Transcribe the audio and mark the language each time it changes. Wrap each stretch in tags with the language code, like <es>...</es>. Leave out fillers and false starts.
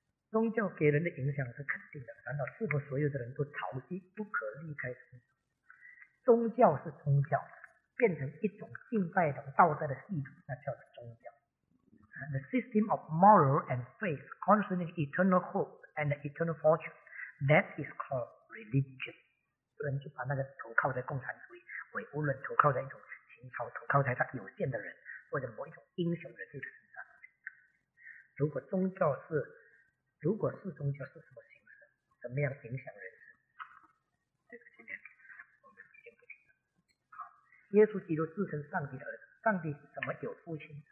<zh>宗教给人的影响是肯定的，难道是否所有的人都潮汐不可离开宗教？宗教是宗教，变成一种敬拜的道德的系统，那叫做宗教。</zh> <en>The system of moral and faith concerning eternal hope and eternal fortune, that is called religion.</en> <zh>不然就把那个投靠在共产主义，为无论投靠在一种情操，投靠在他有限的人，或者某一种英雄人士的身上。如果是宗教是什么形式，怎么样影响人生？这个今天我们已经不提了。好，耶稣基督自称上帝的儿子，上帝怎么有父亲？</zh>